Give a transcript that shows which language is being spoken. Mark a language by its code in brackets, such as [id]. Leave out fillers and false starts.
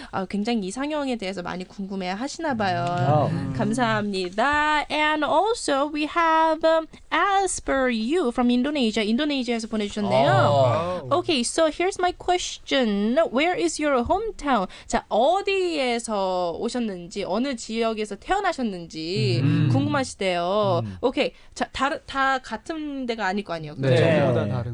[ko] 굉장히 이상형에 대해서 많이 궁금해 하시나 봐요. Oh. 감사합니다. [en] And also we have Asper Yu from Indonesia. [ko] 인도네시아에서 보내주셨네요. [en] Oh. Okay, so here's my question. Where is your hometown? [ko] 자, 어디에서 오셨는지, 어느 지역에서 태어나셨는지 궁금하시대요. Okay, 자, 다 같은 데가 아닐 거 아니에요. 그렇죠? 네. 전혀 다른.